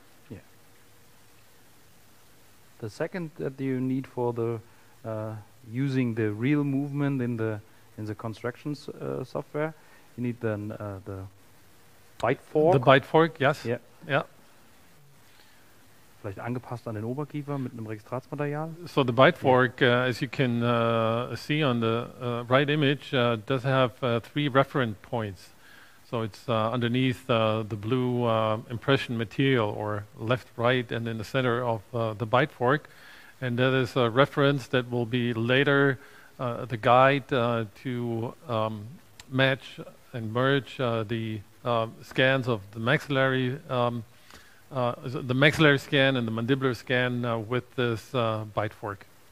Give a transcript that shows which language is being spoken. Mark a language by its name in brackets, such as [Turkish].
[English] Yeah. The second that you need for the using the real movement in the construction software, you need then the bite fork. The bite fork, yes. Yeah. Yeah. [German] Vielleicht angepasst an den Oberkiefer mit einem Registratsmaterial. [English] So the bite fork, as you can see on the right image, does have three referent points. So it's underneath the blue impression material, or left, right, and in the center of the bite fork. And that is a reference that will be later the guide to match and merge the scans of the maxillary the maxillary scan and the mandibular scan with this bite fork.